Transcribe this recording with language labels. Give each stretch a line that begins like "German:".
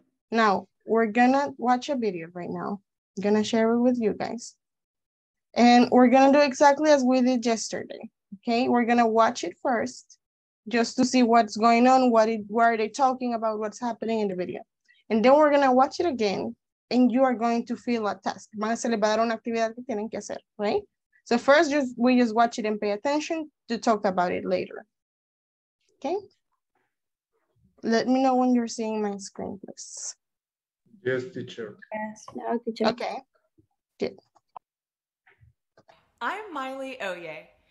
English: Now, we're gonna watch a video right now. I'm gonna share it with you guys. And we're gonna do exactly as we did yesterday. Okay, we're gonna watch it first just to see what's going on, what are they talking about, what's happening in the video. And then we're gonna watch it again and you are going to fill a task.
Spanish: Van a celebrar una actividad que tienen que hacer, right?
English: So first, we just watch it and pay attention to talk about it later. Okay? Let me know when you're seeing my screen, please. Yes, teacher. Yes, no, teacher. Okay. Good. I'm Miley Oye.